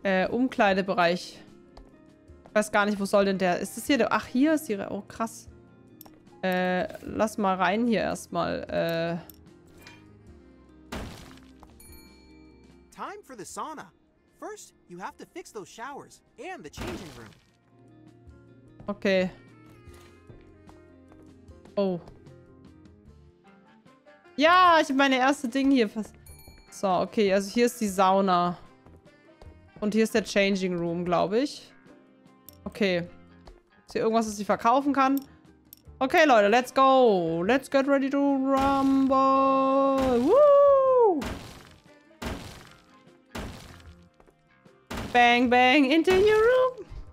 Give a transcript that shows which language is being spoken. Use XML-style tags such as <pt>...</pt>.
<de>Umkleidebereich. Ich weiß gar nicht, wo soll denn der? Ist das hier der? Ach, hier ist ihre. Oh, krass. Lass mal rein hier erstmal.</de> <en>Time for the sauna. First, you have to fix those showers and the changing room. Okay. Oh.</en> <de>Ja, ich habe meine erste Ding hier. So, okay, also hier ist die Sauna. Und hier ist der Changing Room, glaube ich. Okay. Ist hier irgendwas, was ich verkaufen kann? Okay, Leute,</de> <en>let's go. Let's get ready to rumble. Woo! Bang, bang, into your room.</en>